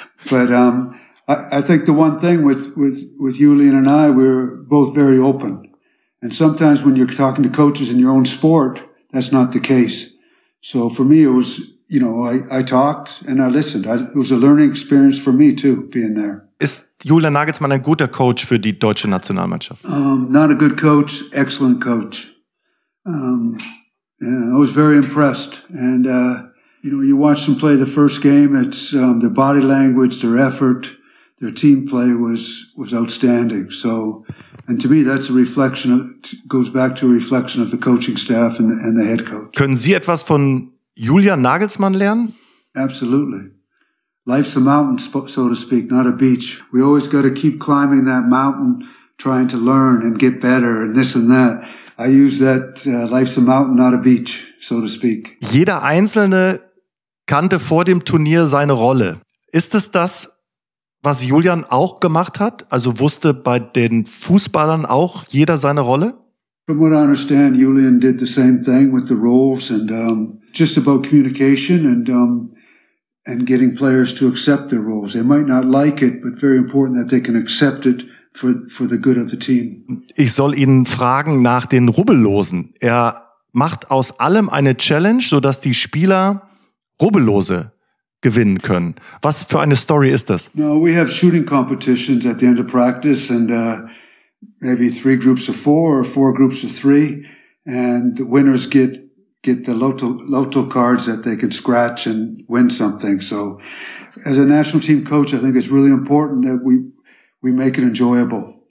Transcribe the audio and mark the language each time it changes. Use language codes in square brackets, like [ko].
[en] But I think the one thing with Julian and I, we're both very open. And sometimes when you're talking to coaches in your own sport, that's not the case. So for me, it was, you know, I talked and I listened. It was a learning experience for me too, being there. [de] Ist Julian Nagelsmann ein guter Coach für die deutsche Nationalmannschaft? [en] Not a good coach, excellent coach. Yeah, I was very impressed. And, you know, you watch them play the first game, it's their body language, their effort, their team play was outstanding. So, and to me, that's a reflection, goes back to a reflection of the coaching staff and the head coach. Können Sie etwas von Julian Nagelsmann lernen? Absolutely. Life's a mountain, so to speak, not a beach. We always got to keep climbing that mountain, trying to learn and get better and this and that. I use that, life's a mountain, not a beach, so to speak. [de] Jeder Einzelne kannte vor dem Turnier seine Rolle. Ist es das, was Julian auch gemacht hat? Also wusste bei den Fußballern auch jeder seine Rolle? [en] From what I understand, Julian did the same thing with the roles and just about communication and getting players to accept their roles. They might not like it, but very important that they can accept it for the good of the team. [de] Ich soll ihn fragen nach den Rubbellosen. Er macht aus allem eine Challenge, sodass die Spieler Rubbellose gewinnen können. Was für eine Story ist das? [en] No, we have shooting competitions at the end of practice and maybe three groups of four or four groups of three, and the winners get the Lotto cards that they can scratch and win something. So as a national team coach, I think it's really important that we make it enjoyable.